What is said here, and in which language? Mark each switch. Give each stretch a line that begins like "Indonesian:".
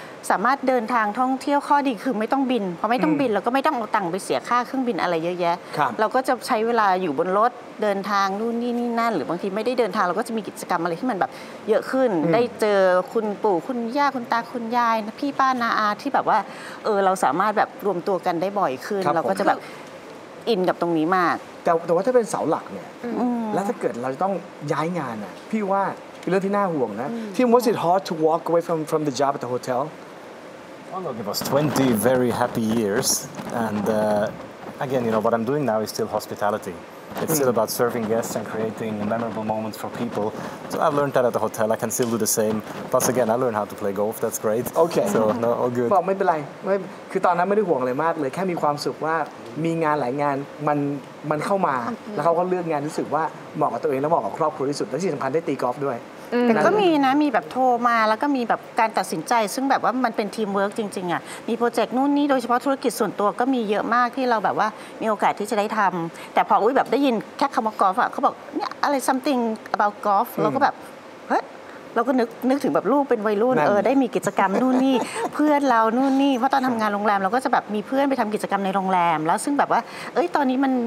Thai: สามารถเดินทางท่องเที่ยวข้อดีคือไม่ต้องบินพอไม่ต้องบินแล้วก็ไม่ต้องเอาตังค์ไปเสียค่าเครื่องบินอะไรเยอะแยะเราก็จะใช้เวลาอยู่บนรถเดินทางนู่นนี่นี่นั่นหรือบางทีไม่ได้เดินทางเราก็จะมีกิจกรรมอะไรที่มันแบบเยอะขึ้นได้เจอคุณปู่คุณย่าคุณตาคุณยายพี่ป้าน้าอาที่แบบว่าเราสามารถแบบรวมตัวกันได้บ่อยขึ้นเราก็จะแบบอินกับตรงนี้มาก แต่ว่าถ้าเป็นเสาหลักเนี่ยแล้วถ้าเกิดเราจะต้องย้ายงานอ่ะพี่ว่าเป็นเรื่องที่น่าห่วงนะที่
English: was it hard to walk away from the job at the hotel it was 20 very happy years and again you know what I'm doing now is still hospitalityIt's still about serving guests and creating memorable moments for people. So I've learned that at the hotel. I can still do the same. Plus, again, I learned how to play golf. That's great. Okay. So, no, all good.
Thai: บอกไม่เป็นไรไม่คือตอนนั้นไม่ได้ห่วงอะไรมากเลยแค่มีความสุขว่ามีงานหลายงานมันเข้ามาแล้วเขาก็เลือกงานที่รู้สึกว่าเหมาะกับตัวเองและเหมาะกับครอบครัวที่สุดและที่สำคัญได้ตีกอล์ฟด้วย แต่ก็มีนะมีแบบโทรมาแล้วก็มีแบบการตัดสินใจซึ่งแบบว่ามันเป็นทีมเวิร์กจริงๆอ่ะมีโปรเจกต์นู่นนี่โดยเฉพาะธุรกิจส่วนตัวก็มีเยอะมากที่เราแบบว่ามีโอกาสที่จะได้ทำแต่พออุ้ยแบบได้ยินแค่คำว่ากอล์ฟอ่ะเขาบอกเนี่ยอะไร
English: something about golf
Thai: เราก็แบบเฮ้ยเราก็นึกถึงแบบรูปเป็นวัยรุ่นได้มีกิจกรรมนู่นนี่เพื่อนเรานู่นนี่เพราะตอนทำงานโรงแรมเราก็จะแบบมีเพื่อนไปทำกิจกรรมในโรงแรมแล้วซึ่งแบบว่าเอ้ยตอนนี้